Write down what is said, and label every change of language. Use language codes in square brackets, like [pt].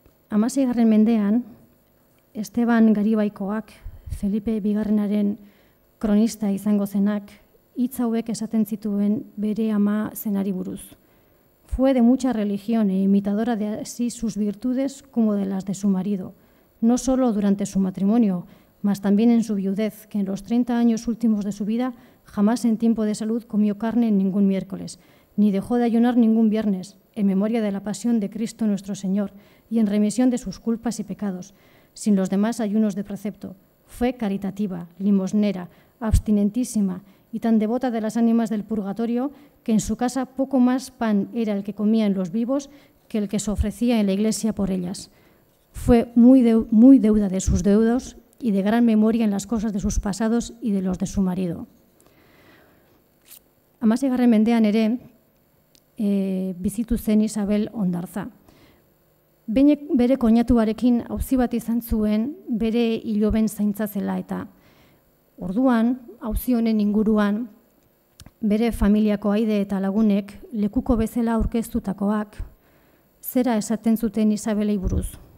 [eu] 16. mendean, Esteban Garibaikoak, Felipe Bigarrenaren kronista izango zenak, hitz hauek esaten zituen bere ama zenari buruz. [es] Fue de mucha religión e imitadora de así sus virtudes como de las de su marido, no solo durante su matrimonio, mas también en su viudez, que en los 30 años últimos de su vida jamás en tiempo de salud comió carne en ningún miércoles, ni dejó de ayunar ningún viernes, en memoria de la pasión de Cristo nuestro Señor y en remisión de sus culpas y pecados, sin los demás ayunos de precepto. Fue caritativa, limosnera, abstinentísima y tan devota de las ánimas del purgatorio que en su casa poco más pan era el que comían los vivos que el que se ofrecía en la iglesia por ellas. Fue muy deuda de sus deudos y de gran memoria en las cosas de sus pasados y de los de su marido. [eu] Amasigarren mendean ere, bizitu zen Isabel Ondarza. Bere koinatuarekin auzi bat izan zuen bere iloben zaintza zela eta. Orduan, auzi honen inguruan, bere familiako aide eta lagunek lekuko bezala aurkeztutakoak zera esaten zuten Isabelei buruz.